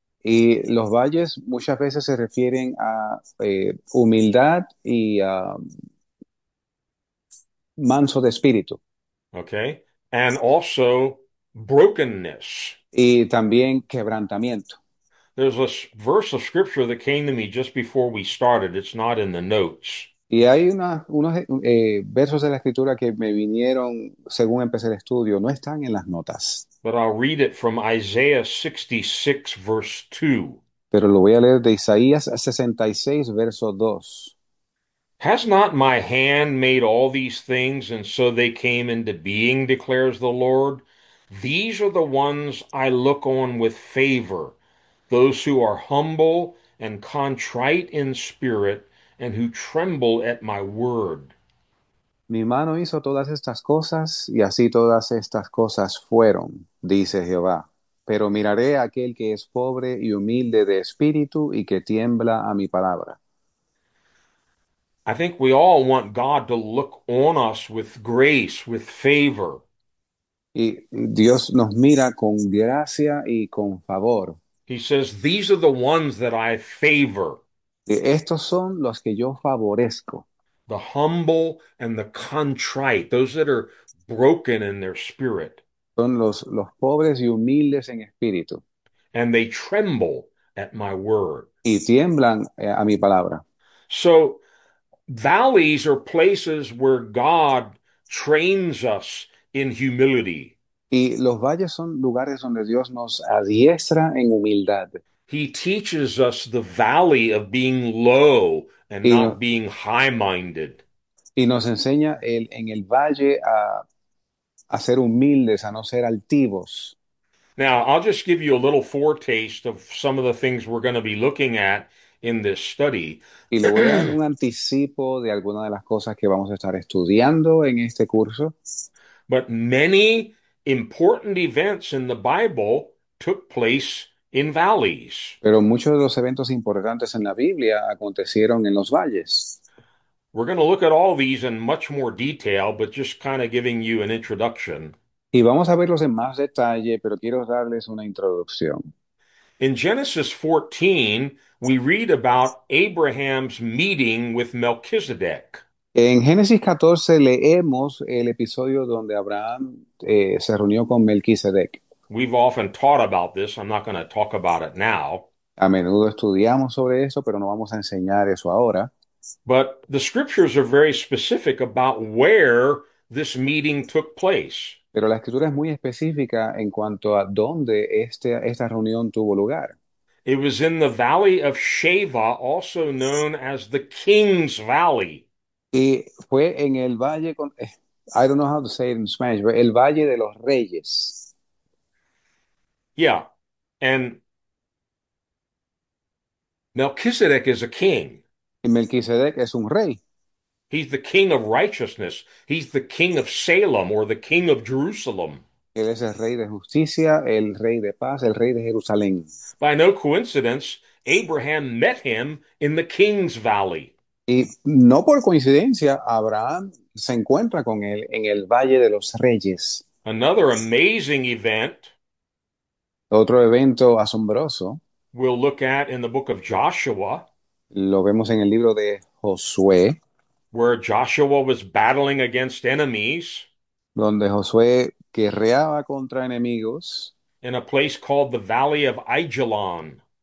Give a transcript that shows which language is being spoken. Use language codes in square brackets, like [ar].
[es] Y los valles muchas veces se refieren a humildad y a manso de espíritu. [en] Okay, and also brokenness. [es] Y también quebrantamiento. [en] There's a verse of scripture that came to me just before we started. It's not in the notes. [es] Y hay unos versos de la escritura que me vinieron según empecé el estudio, no están en las notas. [en] But I'll read it from Isaiah 66, verse 2. [es] Pero lo voy a leer de Isaías 66, verso 2. [en] Has not my hand made all these things, and so they came into being, declares the Lord? These are the ones I look on with favor, those who are humble and contrite in spirit, and who tremble at my word. [es] Mi mano hizo todas estas cosas y así todas estas cosas fueron, dice Jehová. Pero miraré a aquel que es pobre y humilde de espíritu y que tiembla a mi palabra. [en] I think we all want God to look on us with grace, with favor. [es] Y Dios nos mira con gracia y con favor. [en] He says, these are the ones that I favor. [es] Y estos son los que yo favorezco. [en] The humble and the contrite, those that are broken in their spirit. [es] Son los pobres y humildes en espíritu. [en] And they tremble at my word. [es] Y tiemblan a mi palabra. [en] So, valleys are places where God trains us in humility. [es] Y los valles son lugares donde Dios nos adiestra en humildad. [en] He teaches us the valley of being low and [es] Y [en] not being high-minded. [es] nos enseña en el valle a ser humildes, a no ser altivos. [en] Now, I'll just give you a little foretaste of some of the things we're going to be looking at in this study. [es] Y le voy a dar un anticipo de algunas de las cosas que vamos a estar estudiando en este curso. [en] But many important events in the Bible took place in valleys. [es] Pero muchos de los eventos importantes en la Biblia acontecieron en los valles. [en] We're going to look at all these in much more detail, but just kind of giving you an introduction. [es] Y vamos a verlos en más detalle, pero quiero darles una introducción. [en] In Genesis 14, we read about Abraham's meeting with Melchizedek. [es] En Génesis 14 leemos el episodio donde Abraham se reunió con Melquisedec. [en] We've often taught about this. I'm not going to talk about it now. [es] A menudo estudiamos sobre eso, pero no vamos a enseñar eso ahora. [en] But the scriptures are very specific about where this meeting took place. [es] Pero la escritura es muy específica en cuanto a dónde esta reunión tuvo lugar. [en] It was in the Valley of Sheva, also known as the King's Valley. [es] Y fue en el valle con, [en] I don't know how to say it in Spanish, [es] pero el Valle de los Reyes. [en] Yeah, and Melchizedek is a king. [es] Y Melquisedec es un rey. [en] He's the king of righteousness. He's the king of Salem or the king of Jerusalem. [es] Él es el rey de justicia, el rey de paz, el rey de Jerusalén. [en] By no coincidence, Abraham met him in the king's valley. [es] Y no por coincidencia, Abraham se encuentra con él en el Valle de los Reyes. [en] Another amazing event. [es] Otro evento asombroso. [en] We'll look at in the book of Joshua, [es] Lo vemos en el libro de Josué, [en] where Joshua was battling against enemies [es] donde Josué guerreaba contra enemigos. [en] in a place called the Valley of Ajalon.